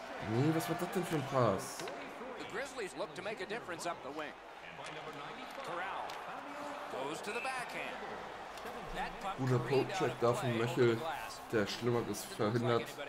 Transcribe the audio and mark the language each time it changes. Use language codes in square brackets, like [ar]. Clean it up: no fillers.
[de] Nee, was war das denn für ein Pass? [en] The Grizzlies look to make a difference up the wing. Corral goes to the backhand. [de] Guter Poke-Check da von Möchel, der Schlimmeres verhindert.